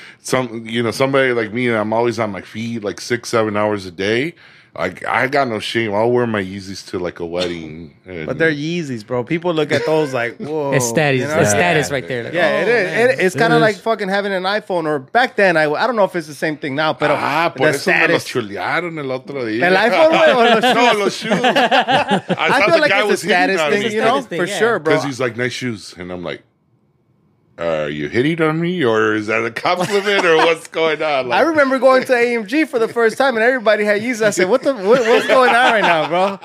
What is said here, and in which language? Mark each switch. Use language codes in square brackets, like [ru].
[en] Some, you know, somebody like me, I'm always on my feet like 6-7 hours a day. I got no shame. I'll wear my Yeezys to like a wedding. But they're Yeezys, bro. People look at those like, whoa. It's status, you know? It's status right there. Like, yeah, oh, it is. It's kind of like fucking having an iPhone. Or back then, I don't know if it's the same thing now. [es] Pero por eso me los chulearon el otro día. ¿El iPhone o los shoes? No, los shoes. [en] I feel like it's a status thing, you know? Thing, for sure, bro. Because he's like, nice shoes. And I'm like, are you hitting on me, or is that a compliment, or what's going on? Like, I remember going to AMG for the first time, and everybody had Yeezys. I said, what's going on right now, bro?